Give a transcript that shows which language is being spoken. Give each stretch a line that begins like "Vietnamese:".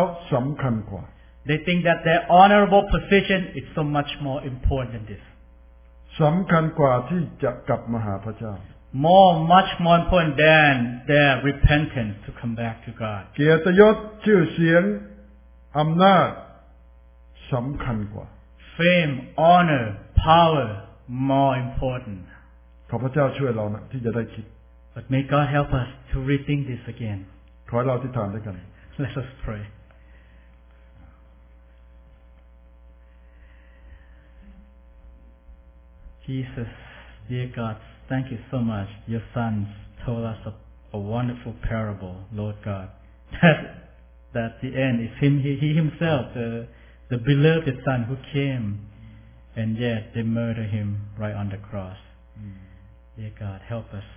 English: They think that their honorable position is so much more important than this. Much more important than their repentance to come back to God.
Thai: เกียรติยศชื่อเสียงอำนาจสำคัญกว่า
English: Fame, honor, power more important.
Thai: ขอพระเจ้าช่วยเรานะที่จะได้คิด
English: But may God help us to rethink this again.
Thai: ขอให้เราอธิษฐานด้วยกัน
English: Let us pray. Jesus, dear God, thank you so much. Your son told us a wonderful parable, Lord God, that the end is him, he himself, the beloved son who came, and yet they murdered him right on the cross. Dear God, help us.